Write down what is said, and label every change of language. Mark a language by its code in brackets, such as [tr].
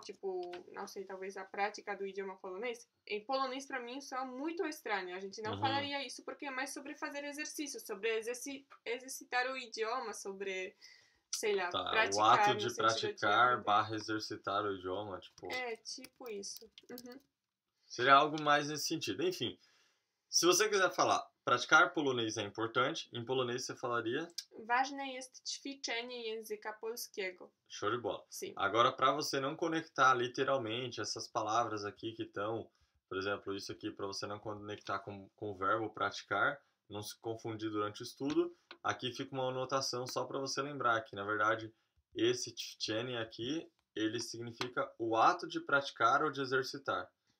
[pt] Tipo, não sei, talvez a prática do idioma polonês. Em polonês, para mim, isso é muito estranho. A gente não falaria isso, porque é mais sobre fazer exercício, sobre exercitar o idioma, sobre, sei lá, tá, praticar. O ato de praticar barra exercitar o idioma, tipo... É, tipo isso. Seria algo mais nesse sentido. Enfim, se você quiser falar praticar polonês é importante, em polonês você falaria... [pl] Ważne jest ćwiczenie języka polskiego. [pt] Show de bola. Sim. Agora, para você não conectar literalmente essas palavras aqui que estão, por exemplo, isso aqui, para você não conectar com o verbo praticar, não se confundir durante o estudo, aqui fica uma anotação só para você lembrar que, na verdade, esse ćwiczenie aqui, ele significa o ato de praticar ou de exercitar.